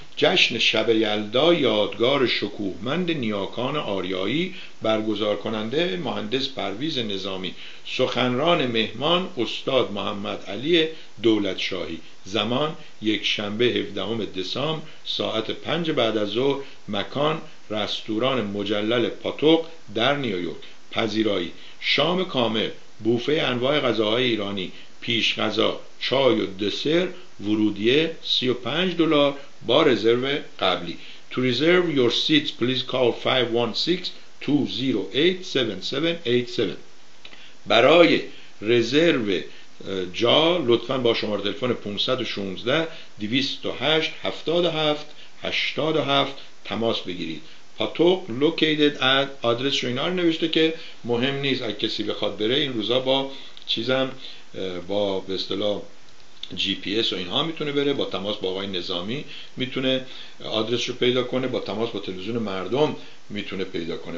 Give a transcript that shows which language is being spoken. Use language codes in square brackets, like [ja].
[fa] جشن شب یلدا یادگار شکوهمند نیاکان آریایی، برگزار کننده مهندس پرویز نظامی، سخنران مهمان استاد محمد علی دولت شاهی، زمان یک شنبه 17 دسامبر ساعت 5 بعد از ظهر، مکان رستوران مجلل پاتوق در نیویورک. پذیرایی شام کامل، بوفه انواع غذاهای ایرانی، پیش غذا، چای و دسر، ورودیه $35 با رزرو قبلی. [en] To reserve your seats please call 516-208-7787. [fa] برای رزرو جا لطفاً با شماره تلفن 516-208-7787 تماس بگیرید. پاتوق [en] located at، [fa] آدرس رو اینا رو نوشته که مهم نیست اگه کسی بخواد بره، این روزا با چیزم با به اصطلاح جی پی اس و اینها میتونه بره، با تماس با آقای نظامی میتونه آدرس رو پیدا کنه، با تماس با تلویزیون مردم میتونه پیدا کنه.